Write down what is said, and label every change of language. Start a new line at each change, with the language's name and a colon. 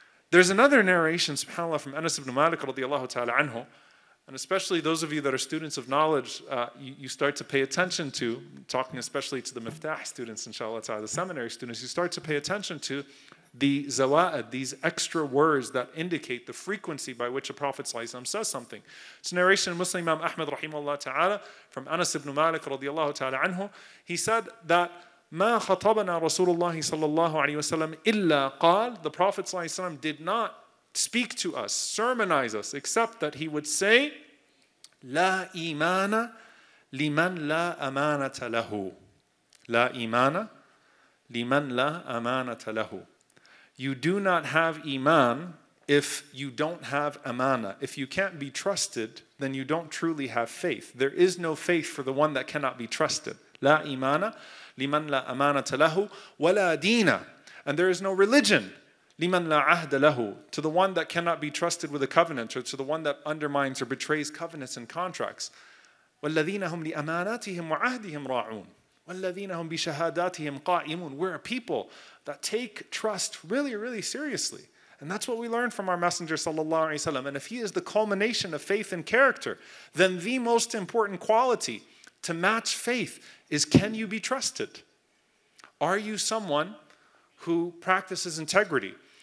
English: There's another narration, subhanAllah, from Anas ibn Malik radiallahu ta'ala anhu, and especially those of you that are students of knowledge, you start to pay attention to, talking especially to the Miftaah students, inshallah ta'ala, the seminary students, you start to pay attention to the zawa'ad, these extra words that indicate the frequency by which a Prophet says something. It's a narration of Muslim Imam Ahmad rahimahullah ta'ala from Anas ibn Malik radiallahu ta'ala anhu. He said that
Arabic: ما خطبنا رسول الله صلى الله عليه وسلم إلا قال,
English: the Prophet صلى الله عليه وسلم did not speak to us, sermonize us, except that he would say,
Arabic: لا إيمان لمن لا أمانة له. لا إيمان لمن لا أمانة له.
English: You do not have iman if you don't have amana. If you can't be trusted, then you don't truly have faith. There is no faith for the one that cannot be trusted.
Arabic: لا إيمان لمن لا أمانة له ولا دين.
English: And there is no religion
Arabic: لمن لا عهد له,
English: to the one that cannot be trusted with a covenant, or to the one that undermines or betrays covenants and contracts.
Arabic: والذين هم لأماناتهم وعهدهم راعون والذين هم بشهاداتهم قائمون.
English: We're a people that take trust really, really seriously. And that's what we learn from our Messenger sallallahu alaihi wasallam. And if he is the culmination of faith and character, then the most important quality to match faith is, can you be trusted? Are you someone who practices integrity?